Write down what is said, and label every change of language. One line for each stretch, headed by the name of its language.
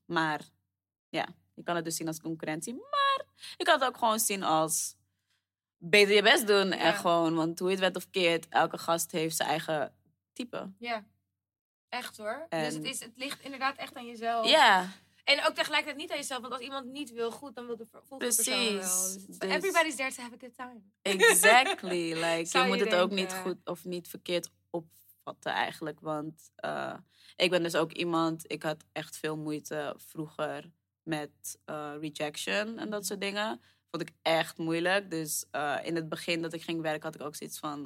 Dutch: Maar ja, je kan het dus zien als concurrentie. Maar je kan het ook gewoon zien als beter je best doen. Ja. En gewoon, want hoe je het bent of keert, elke gast heeft zijn eigen type. Ja, echt hoor. En... Dus het ligt inderdaad echt aan jezelf. Ja. En ook tegelijkertijd niet aan jezelf. Want als iemand niet wil goed, dan wil de volgende precies persoon wel. Dus
English: everybody's there to have a good time. Exactly.
Dutch: Like, je moet het ook niet goed of niet verkeerd opvatten eigenlijk. Want ik ben dus ook iemand... Ik had echt veel moeite vroeger met rejection en dat soort dingen. Vond ik echt moeilijk. Dus in het begin dat ik ging werken had ik ook zoiets van...